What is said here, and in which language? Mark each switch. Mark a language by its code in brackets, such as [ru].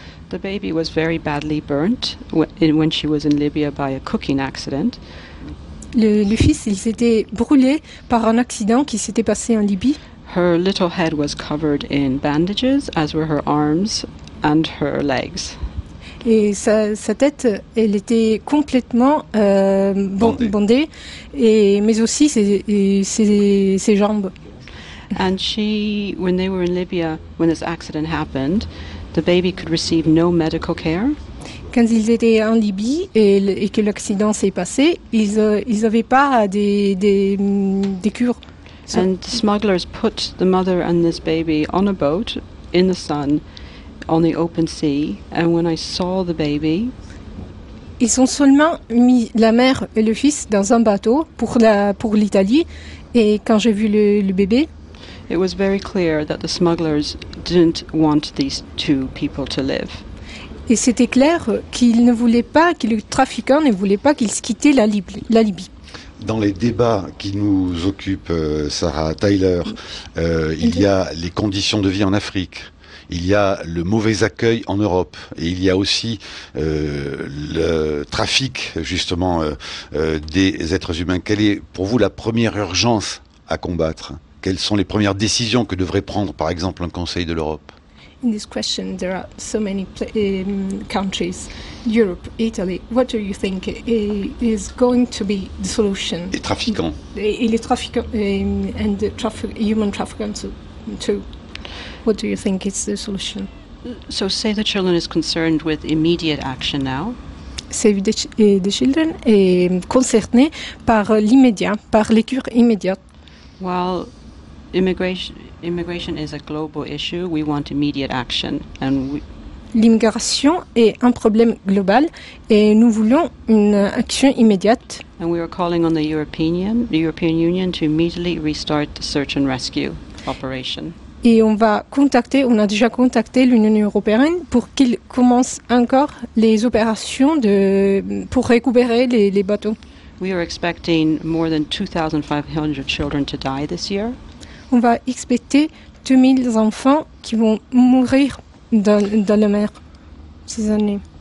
[en] The baby was very badly burnt when she was in Libya by a cooking accident. [fr] Le fils, il s'était brûlé par un accident qui s'était passé en Libye. [en] Her little head was covered in bandages, as were her arms and her legs. [fr] Et sa tête, elle était complètement bandée, mais aussi ses jambes. [en] And she, when they were in Libya, when this accident happened, the baby could receive no medical care. [fr] Quand ils étaient en Libye et que l'accident s'est passé, ils n'avaient pas des cures. [en] And the smugglers put the mother and this baby on a boat in the sun on the open sea. And when I saw the baby, [fr] ils ont seulement mis la mère et le fils dans un bateau pour l'Italie. Et quand j'ai vu le bébé, [en] it was very clear that the smugglers didn't want these two people to live. [fr] Et c'était clair qu'ils ne voulaient pas, que les trafiquants ne voulaient pas qu'ils quittaient la Libye. Dans les débats qui nous occupent, Sarah Tyler, il y a les conditions de vie en Afrique, il y a le mauvais accueil en Europe, et il y a aussi le trafic, justement, des êtres humains. Quelle est, pour vous, la première urgence à combattre ? Quelles sont les premières décisions que devrait prendre, par exemple, un Conseil de l'Europe ? [en] In this question, there are so many countries, Europe, Italy. What do you think is going to be the solution? [fr] Les trafiquants. Les trafiquants [en] and the human trafficking too. What do you think is the solution? So Save the Children is concerned with immediate action now. [fr] Save the Children est concerné par l'immédiat, par les cures immédiates. [en] Well, immigration is a global issue. We want immediate action. And [fr] l'immigration est un problème global et nous voulons une action immédiate. [en] And we are calling on the European Union to immediately restart the search and rescue operation. [fr] Et on a déjà contacté l'Union européenne pour qu'il commence encore les opérations pour récupérer les bateaux. [en] We are expecting more than 2,500 children to die this year. [fr] On va expecter 2000 enfants qui vont mourir dans la mer ces années.